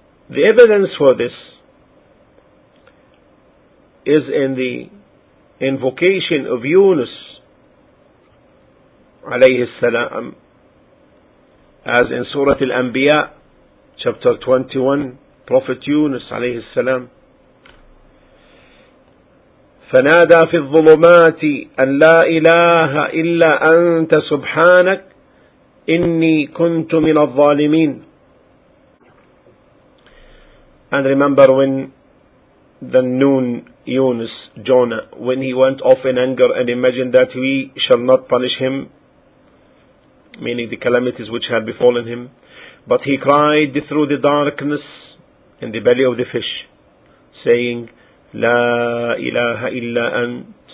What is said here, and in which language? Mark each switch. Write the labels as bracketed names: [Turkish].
[English] The evidence for this is in the invocation of Yunus alayhi salam, as in Surah Al-Anbiya, chapter 21, Prophet Yunus alayhi salam. [Arabic] فنادى في الظلمات أن لا إله إلا أنت سبحانك إني كنت من الظالمين. [English] And remember when the Noon, Yunus, Jonah, when he went off in anger and imagined that we shall not punish him, meaning the calamities which had befallen him, but he cried through the darkness in the belly of the fish, saying, [Arabic] لا إله إلا أنت,